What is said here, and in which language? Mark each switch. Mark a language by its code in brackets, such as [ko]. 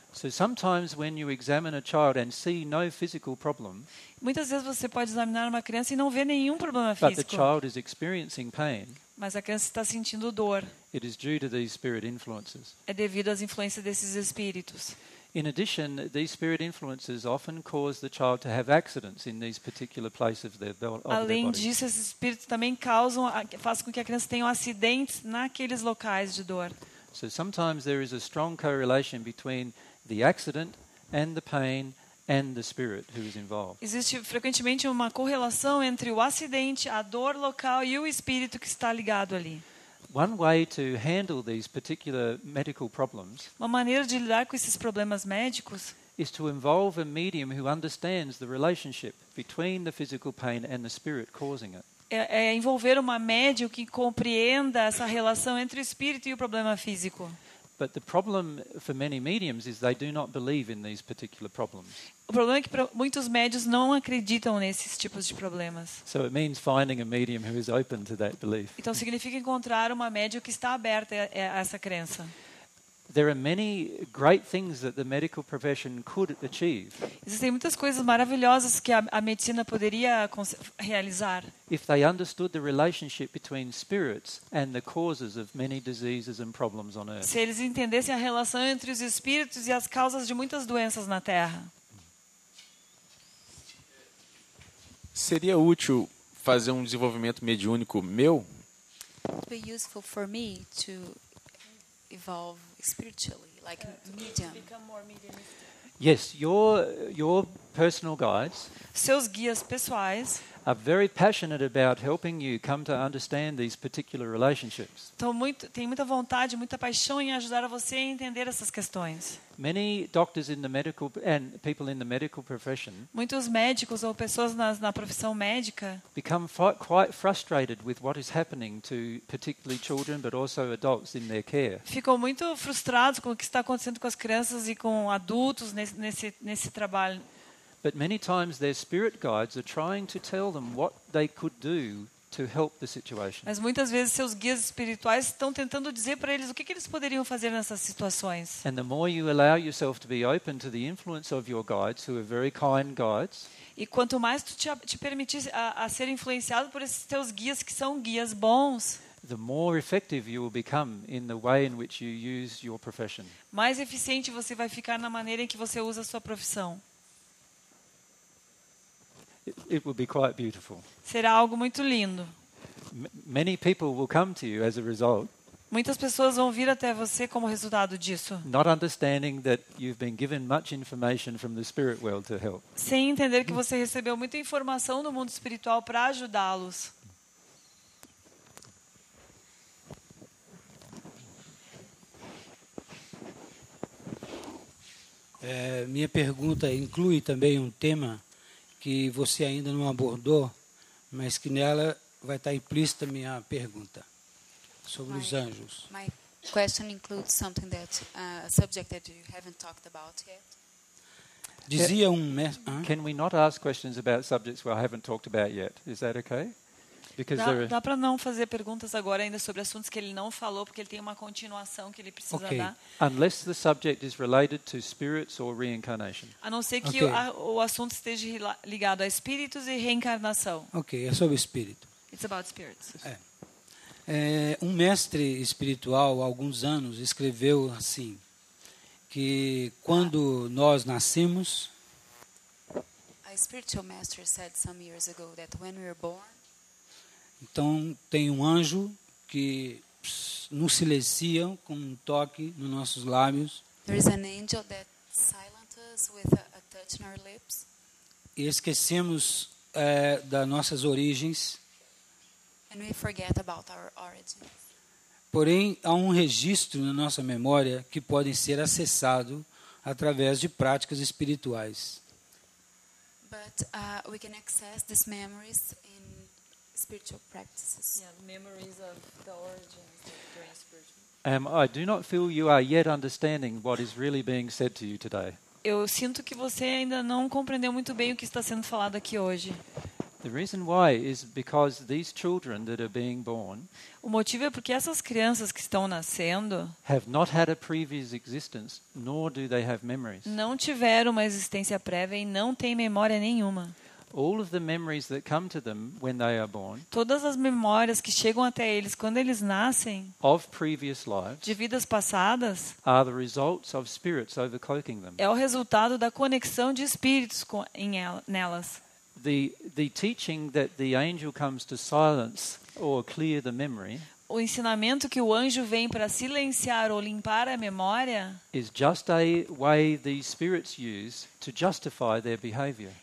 [en] So sometimes when you examine a child and see no physical problem, [pt] muitas vezes você pode examinar uma criança e não ver nenhum problema físico. [en] But the child is experiencing pain. [pt] Mas a criança está sentindo dor. [en] It is due to these spirit influences. [pt] É devido às influências desses espíritos. [en] In addition, these spirit influences often cause the child to have accidents in these particular places of their body. [pt] Além disso, esses espíritos também fazem com que a criança tenha acidentes naqueles locais de dor. [en] So sometimes there is a strong correlation between the accident and the pain and the spirit who is involved. [pt] Existe frequentemente uma correlação entre o acidente, a dor local e o espírito que está ligado ali. [en] One way to handle these particular medical problems. [pt] Uma maneira de lidar com esses problemas médicos [en] is to involve a medium who understands the relationship between the physical pain and the spirit causing it. [pt] envolver uma médium que compreenda essa relação entre o espírito e o problema físico. [en] But the problem for many mediums is they do not believe in these particular problems. [pt] O problema é que muitos médiuns não acreditam nesses tipos de problemas. [en] So it means finding a medium who is open to that belief. [pt] Então significa encontrar uma médium que está aberta a essa crença. [en] There are many great things that the medical profession could achieve. [pt] Existem muitas coisas maravilhosas que a medicina poderia realizar. [en] If they understood the relationship between spirits and the causes of many diseases and problems on earth. [pt] Se eles entendessem a relação entre os espíritos e as causas de muitas doenças na Terra. Seria útil fazer um desenvolvimento mediúnico meu? [en] Be useful for me to evolve spiritually, like medium. Yes, your personal guides. [pt] Seus guias pessoais. [en] Are very passionate about helping you come to understand these particular relationships. [pt] Então muito, tem muita vontade, muita paixão em ajudar você a entender essas questões. [en] Many doctors in the medical and people in the medical profession. [pt] Muitos médicos ou pessoas na profissão médica. [en] Become quite frustrated with what is happening to particularly children, but also adults in their care. [pt] Ficam muito frustrados com o que está acontecendo com as crianças e com adultos nesse trabalho. [en] But many times their spirit guides are trying to tell them what they could do to help the situation. [pt] Mas muitas vezes seus guias espirituais estão tentando dizer para eles o que eles poderiam fazer nessas situações. [en] And the more you allow yourself to be open to the influence of your guides, who are very kind guides. [pt] E quanto mais tu te permitir a ser influenciado por esses teus guias que são guias bons, [en] the more effective you will become in the way in which you use your profession. [pt] Mais eficiente você vai ficar na maneira em que você usa a sua profissão. [en] It will be quite beautiful. [pt] Será algo muito lindo. [en] Many people will come to you as a result. [pt] Muitas pessoas vão vir até você como resultado disso. [en] Not understanding that you've been given much information from the spirit world to help. [pt] Sem entender que você recebeu muita informação do mundo espiritual para ajudá-los. Minha pergunta inclui também um tema que você ainda não abordou, mas que nela vai estar implícita minha pergunta sobre os anjos. [en] My question includes something that a subject that you haven't talked about yet. [pt] Dizia um [en] Can we not ask questions about subjects we haven't talked about yet? Is that okay? Because [pt] dá para não fazer perguntas agora ainda sobre assuntos que ele não falou, porque ele tem uma continuação que ele precisa [en] okay. [pt] dar. [en] Unless the subject is related to spirits or reincarnation. [pt] A não ser que o assunto esteja ligado a espíritos e reencarnação. Ok, é sobre espírito. [en] It's about spirits. [pt] Um mestre espiritual, há alguns anos, escreveu assim, que quando nós nascemos... [en] A spiritual master said some years ago that when we were born, [pt] então, tem um anjo que nos silencia com um toque nos nossos lábios. [en] There is an angel that silences us with a touch on our lips. [pt] E esquecemos das nossas origens. [en] And we forget about our origins. [pt] Porém, há um registro na nossa memória que pode ser acessado através de práticas espirituais. [en] But we can access these memories in spiritual practices. Yeah, memories of the origins during spiritual. I do not feel you are yet understanding what is really being said to you today. [pt] Eu sinto que você ainda não compreendeu muito bem o que está sendo falado aqui hoje. [en] The reason why is because these children that are being born. [pt] O motivo é porque essas crianças que estão nascendo [en] have not had a previous existence, nor do they have memories. [pt] Não tiveram uma existência prévia e não têm memória nenhuma. [en] All of the memories that come to them when they are born. [pt] Todas as memórias que chegam até eles quando eles nascem. [en] Of previous lives. [pt] De vidas passadas. [en] Are the results of spirits overcloaking them. [pt] É o resultado da conexão de espíritos nelas. [en] The teaching that the angel comes to silence or clear the memory. [pt] O ensinamento que o anjo vem para silenciar ou limpar a memória. [en] Is just a way the spirits use to justify their behavior.